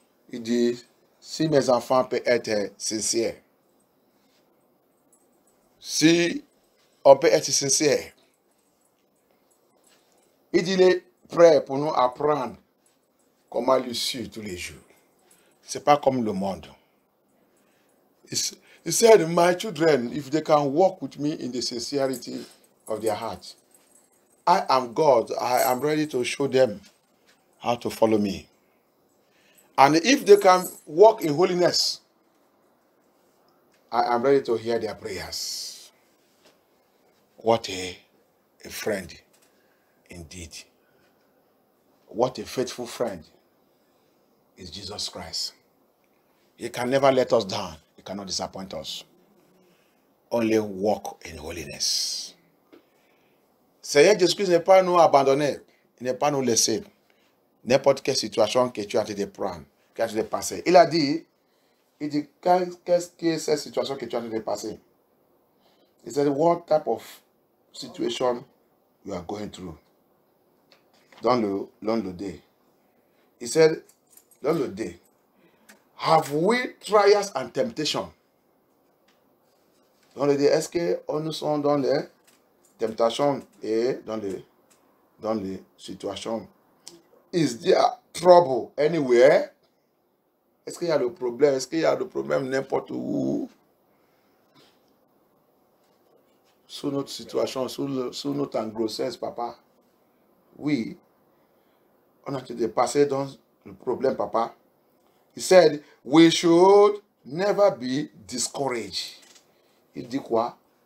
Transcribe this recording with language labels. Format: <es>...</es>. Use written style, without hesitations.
<fr>Il dit, si mes enfants peuvent être sincères, si on peut être sincère. Il dit, il est prêt pour nous apprendre comment lui suivre tous les jours. Ce n'est pas comme le monde.</fr> <en>Il said, my children, if they can walk with me in the sincerity of their heart, I am God, I am ready to show them how to follow me. And if they can walk in holiness, I am ready to hear their prayers. What a friend indeed. What a faithful friend is Jesus Christ. He can never let us down. He cannot disappoint us. Only walk in holiness.</en> <fr>Seigneur Jésus-Christ n'est pas nous abandonner, il n'est pas nous laisser. N'importe quelle situation que tu as été prendre, que tu as été passer. Il dit, qu'est-ce que c'est cette situation que tu as été passer? Il dit,</fr> <en>what type of situation you are going through. Don't lose the day. He said, don't lose the day. Have we trials and temptation? Don't lose the day.</en> <fr>Est-ce que nous sommes dans les temptations et dans les situations?</fr> <en>Is there trouble anywhere?</en> <fr>Est-ce qu'il y a le problème? Est-ce qu'il y a le problème n'importe où? Sous notre situation, sous notre engrossesse, papa. Oui, on a été passé dans le problème, papa.</fr> <en>He said, we should never be discouraged.</en> <fr>Il dit quoi?</fr>